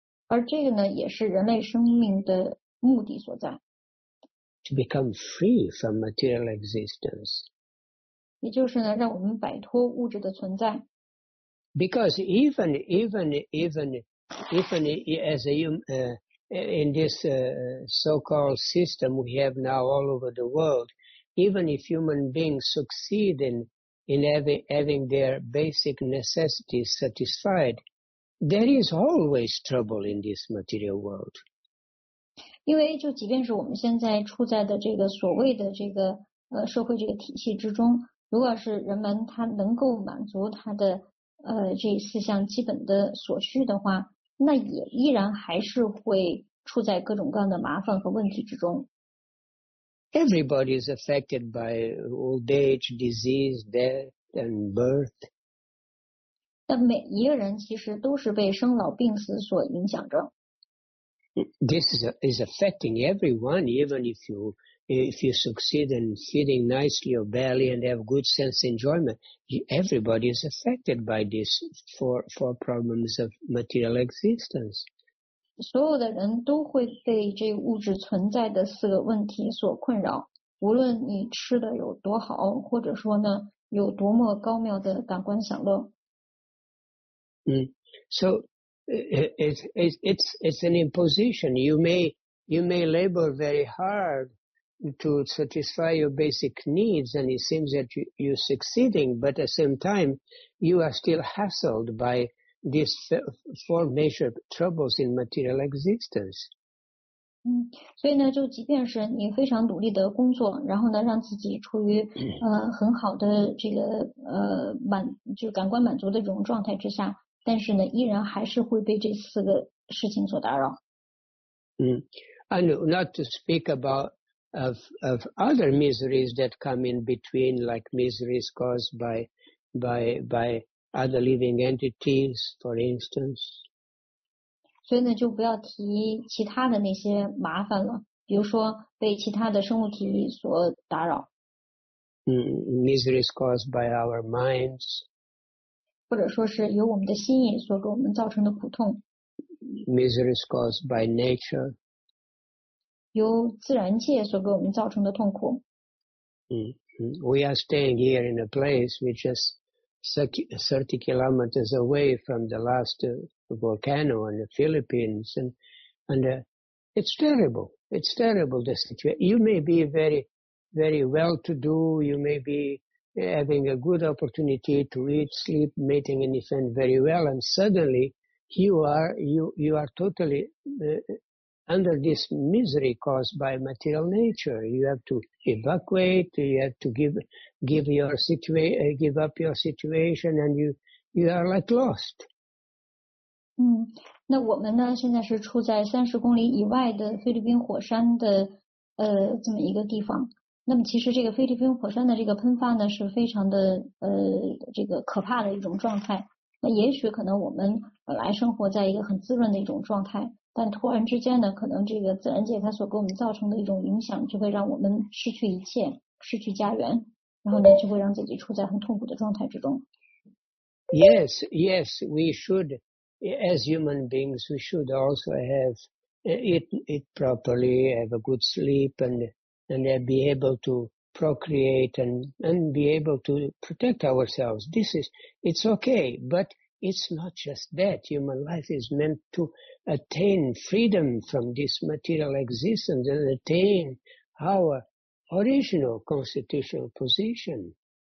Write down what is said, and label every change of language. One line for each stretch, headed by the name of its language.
Chinese: 而这个呢，也是人类生命的目的所在。
English: To become free from material existence.
Chinese: 也就是呢，让我们摆脱物质的存在。
English: Because even as a human, in this so-called system we have now all over the world, even if human beings succeed in having their basic necessities satisfied, there is always trouble in this material world.
Chinese: 因为就即便是我们现在处在的这个所谓的这个社会这个体系之中，如果是人们他能够满足他的这四项基本的所需的话，那也依然还是会处在各种各样的麻烦和问题之中。
English: Everybody is affected by old age, disease, death, and birth.
Chinese: 但每一个人其实都是被生老病死所影响着。
English: This is affecting everyone, even if you succeed in feeding nicely your belly and have good sense enjoyment. Everybody is affected by this for problems of material existence.
Chinese: 所有的人都会被这物质存在的四个问题所困扰，无论你吃的有多好，或者说呢，有多么高妙的感官享乐。
English: So it's an imposition. You may labor very hard to satisfy your basic needs, and it seems that you're succeeding. But at the same time, you are still hassled by these four major troubles in material existence.
Chinese: 所以呢，就即便是你非常努力的工作，然后呢，让自己处于很好的这个就感官满足的这种状态之下。但是呢，依然还是会被这四个事情所打扰。
English: And not to speak about of other miseries that come in between, like miseries caused by other living entities, for instance.
Chinese: 所以呢，就不要提其他的那些麻烦了，比如说被其他的生物体所打扰。
English: Miseries caused by our minds.
Chinese: 或者说是由我们的心意所给我们造成的苦痛。
English: Misery is caused by nature.
Chinese: 由自然界所给我们造成的痛苦。
English: We are staying here in a place which is 30 kilometers away from the last volcano in the Philippines. It's terrible. It's terrible, the situation. You may be very, very well to do. You may be... having a good opportunity to eat, sleep, mating, and defend very well, and suddenly you are totally under this misery caused by material nature. You have to evacuate. You have to give up your situation, and you are like lost.
Chinese: 那我们呢？现在是处在30公里以外的菲律宾火山的这么一个地方。那么其实这个菲律宾火山的这个喷发呢，是非常的这个可怕的一种状态。那也许可能我们本来生活在一个很滋润的一种状态，但突然之间呢，可能这个自然界它所给我们造成的一种影响，就会让我们失去一切，失去家园，然后呢，就会让自己处在很痛苦的状态之中。
English: Yes, yes, we should, as human beings, we should also have it properly, have a good sleep and be able to procreate and be able to protect ourselves. It's okay, but it's not just that. Human life is meant to attain freedom from this material existence and attain our original constitutional position.